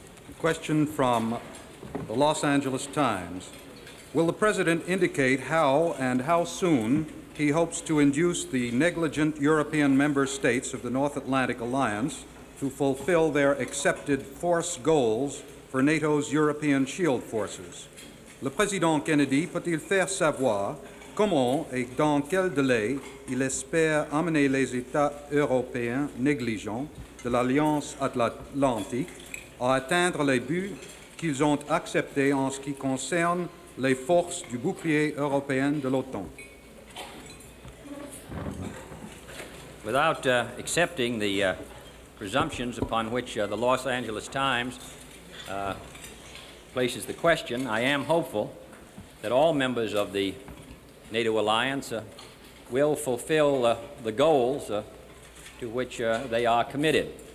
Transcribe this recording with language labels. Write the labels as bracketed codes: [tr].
[en] A question from the Los Angeles Times. Will the President indicate how and how soon he hopes to induce the negligent European member states of the North Atlantic Alliance to fulfill their accepted force goals for NATO's European shield forces? [fr] Le président Kennedy peut-il faire savoir comment et dans quel délai il espère amener les États européens négligents de l'Alliance Atlantique à atteindre les buts qu'ils ont acceptés en ce qui concerne les forces du bouclier européen de l'OTAN? [en] Without accepting the presumptions upon which the Los Angeles Times places the question, I am hopeful that all members of the NATO alliance will fulfill the goals to which they are committed.